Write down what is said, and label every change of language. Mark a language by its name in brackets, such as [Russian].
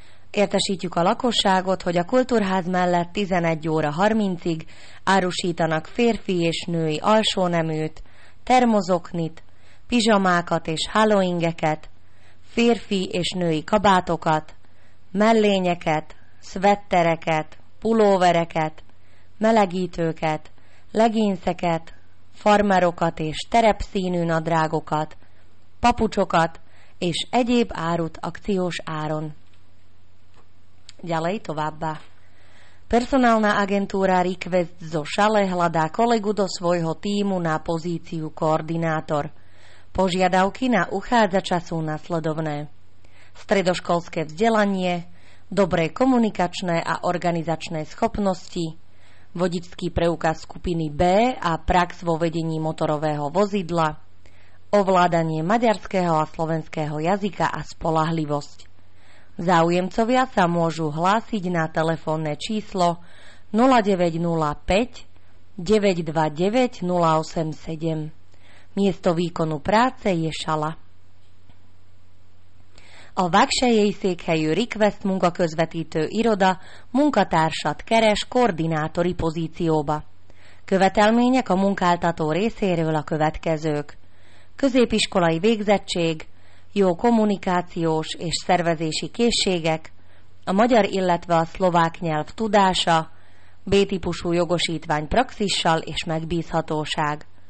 [Hungarian] Értesítjük a lakosságot, hogy a kultúrház mellett 11 óra 30-ig árusítanak férfi és női alsóneműt, termozoknit, pizsamákat és halloingeket, férfi és női kabátokat, mellényeket, szvettereket, pulóvereket, melegítőket, leginszeket, farmerokat és terepszínű nadrágokat, papucsokat és egyéb árut akciós áron. [Slovak] Ďalej [Hungarian] továbbá. [Slovak] Personálna agentúra Request zo Šale hľadá kolegu do svojho tímu na pozíciu koordinátor. Požiadavky na uchádzača sú nasledovné. Stredoškolské vzdelanie, dobré komunikačné a organizačné schopnosti, vodičský preukaz skupiny B a prax vo vedení motorového vozidla, ovládanie maďarského a slovenského jazyka a spoľahlivosť. Záujemcovia sa môžu hlásiť na telefónne číslo 0905 929 087. Miesto výkonu práce je Šala. [Hungarian] A vakšejej székhelyű request munkaközvetítő iroda munkatársat keres koordinátori pozícióba. Követelmények a munkáltató részéről a következők. Középiskolai végzettség, jó kommunikációs és szervezési készségek, a magyar, illetve a szlovák nyelv tudása, B-típusú jogosítvány praxissal és megbízhatóság.